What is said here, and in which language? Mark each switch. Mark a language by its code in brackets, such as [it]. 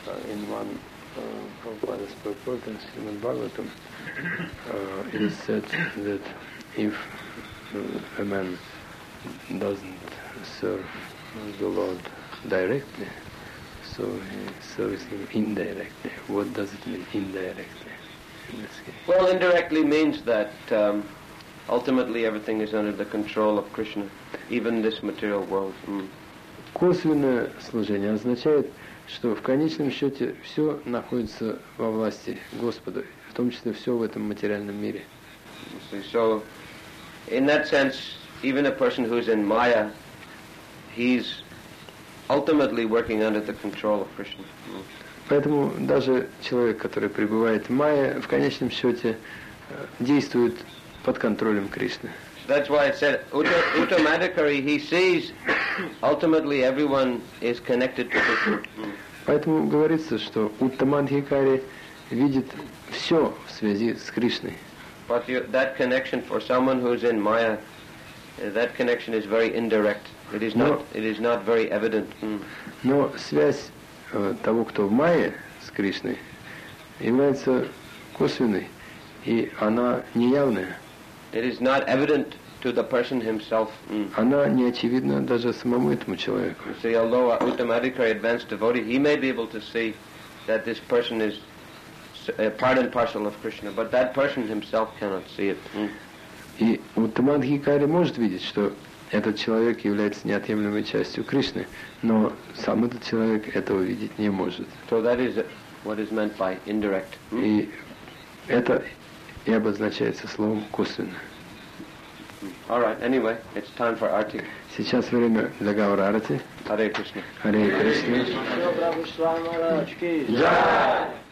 [en] In one Prabhupada's purport in Srimad Bhagavatam, it is said that if a man doesn't serve the Lord directly, so he serves him indirectly. What does it mean, indirectly? Well, indirectly means that ultimately everything is under the control of Krishna, even this material world. [ru] Косвенное служение означает, что в конечном счете все находится во власти Господа, в том числе все в этом материальном мире. [en] So, in that sense, even a person who is in Maya, he's ultimately working under the control of Krishna. [ru] Поэтому даже человек, который пребывает в Майе, в конечном счете действует под контролем Кришны. [en] That's why it said automatically he sees ultimately everyone is connected to Krishna. [ru] Поэтому говорится, что Уттамадхикари видит все в связи с Кришной. [en] But that connection for someone who is in Maya, that connection is very indirect. It is not very evident. [ru] Но связь того, кто в Майе с Кришной, является косвенной, и она неявная. [en] It is not evident to the person himself. [ru] Она не очевидна даже самому этому человеку. [en] See, although an automatically advanced devotee, he may be able to see that this person is part and parcel of Krishna, but that person himself cannot see it. [ru] И уттамадхикари может видеть, что этот человек является неотъемлемой частью Кришны, но сам этот человек этого видеть не может. [en] So that is what is meant by indirect. [ru] И это и обозначается словом косвенно. [en] All right, anyway, it's time for arti. [ru] Сейчас время для гаура арти. Харе Кришна. Харе Кришна. Прабху Шрамарачки. Джай!